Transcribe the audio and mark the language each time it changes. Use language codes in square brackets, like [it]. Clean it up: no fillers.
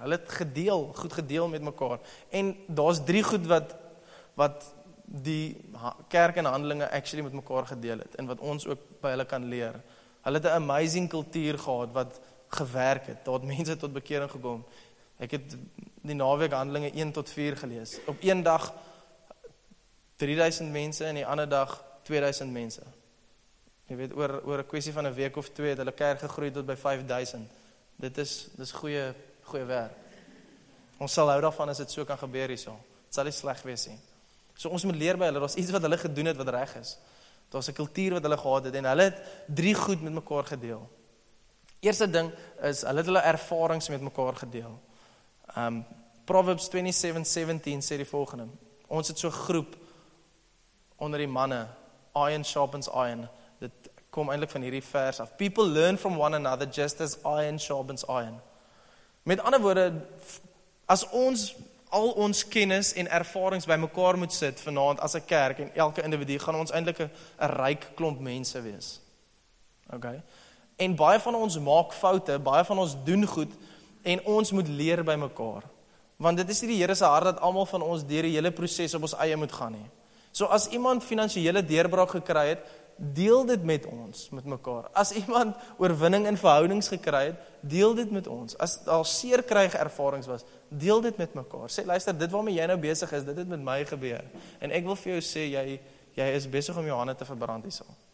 [af] Hulle het gedeel, goed gedeel met mekaar. En daar's drie goed wat die kerk en handelinge actually met mekaar gedeel het en wat ons ook by hulle kan leer. Hulle het 'n amazing kultuur gehad wat gewerk het. Daar het mense tot bekering gekom. Ek het die naweek Handelinge 1 tot 4 gelees. Op een dag 3000 mense en die ander dag 2000 mense. Jy weet, oor 'n kwessie van 'n week of twee het hulle kerk gegroei tot by 5000. Dis goeie werk. Ons sal hou daarvan as dit so kan gebeur hierso. Dit sal nie sleg wees nie. So ons moet leer by hulle, daar's iets wat hulle gedoen het wat reg is. Daar's 'n kultuur wat hulle gehad het en hulle het drie goed met mekaar gedeel. Eerste ding is, hulle het hulle ervarings met mekaar gedeel. Proverbs 27:17 sê die volgende. Ons het so 'n groep onder die manne. [en] Iron sharpens iron. [af] Kom eintlik van hierdie vers af. [en] People learn from one another just as iron sharpens iron. [af] Met ander woorde, as ons al ons kennis en ervarings by mekaar moet sit vanaand as 'n kerk en elke individu, gaan ons eintlik 'n ryk klomp mense wees. Okay? En baie van ons maak foute, baie van ons doen goed en ons moet leer by mekaar. Want dit is nie die Here se hart dat almal van ons deur die hele proses op ons eie moet gaan nie. So as iemand finansiële deurbraak gekry het, deel dit met ons, met mekaar. As iemand oorwinning in verhoudings gekry het, deel dit met ons. As daar seer kry ervarings was, deel dit met mekaar. Sê, luister, dit waarmee jy nou besig is, dit het met my gebeur. En ek wil vir jou sê, jy is besig om jou hande te verbrand hierso.